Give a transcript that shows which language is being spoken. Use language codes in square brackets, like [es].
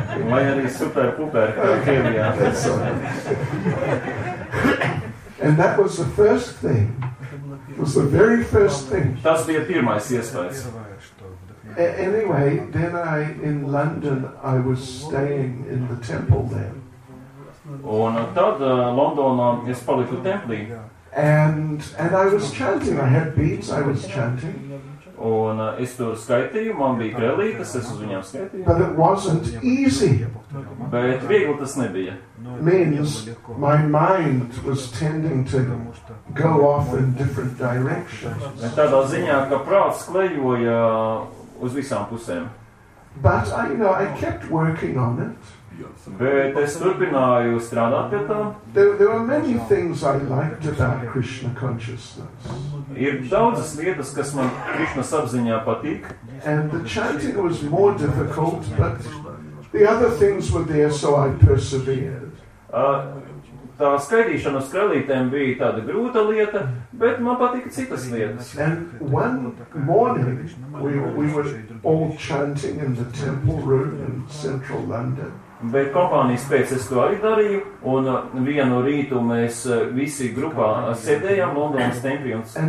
[lv] Vai arī super puper, kā Kēvijā. [en] And that was the first thing. It was the very first thing. [lv] Tas bija pirmais iespējas. [en] Anyway, then I, in London, I was staying in the temple there. [lv] Un tad Londonā es paliku templī. [en] And I was chanting. I had beads, I was chanting. [lv] Un es tur skaitīju, man bija krelītes, es uz viņām skaitīju. [en] But it wasn't easy. [lv] Bet viegli tas nebija. [en] Means my mind was tending to go off in different directions. [lv] Bet tādā ziņā, ka prāts klejoja uz visām pusēm. [en] But I, you know, I kept working on it. [lv] Bet es turpināju strādāt pie tā. [en] There were many things I liked about Krishna consciousness. [lv] Ir daudzas lietas, kas man Krishna apziņā patīk. [en] And the chanting was more difficult, but the other things were there, so I persevered. [lv] Tā skaidīšana uz skrelītēm bija tāda grūta lieta, bet man patika citas lietas. [en] And one morning we were all chanting in the temple room in central London. [lv] Bet kompānijas pēc es to arī darīju, un vienu rītu mēs visi grupā sēdējām Londonas templī un